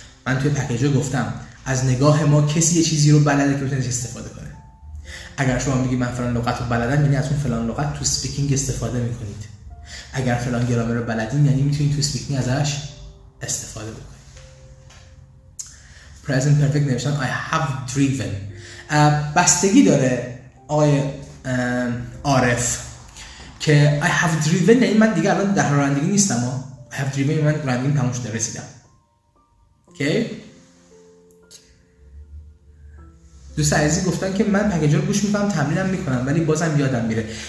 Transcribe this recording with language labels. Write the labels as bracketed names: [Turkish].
[Persian] من توی پکیج گفتم از نگاه ما کسی یه چیزی رو بلده که بتونه استفاده کنه. اگر شما میگی من فلان لغت رو بلدم، یعنی از اون فلان لغت تو سپیکینگ استفاده میکنید. اگر فلان گرامر رو بلدین، یعنی میتونید تو سپیکینگ ازش استفاده بکنید. [English] Present perfect [Persian] نوشتن [English] I have driven. [Persian] بستگی داره آقای عارف که [English] I have driven [Persian] یعنی من دیگه الان در رانندگی نیستم، I have driven من رانندگی تموم شده رسیدم. Okay. دوست عزیزی گفتن که من پکیج رو گوش میکنم تمرینم میکنم ولی بازم یادم میره.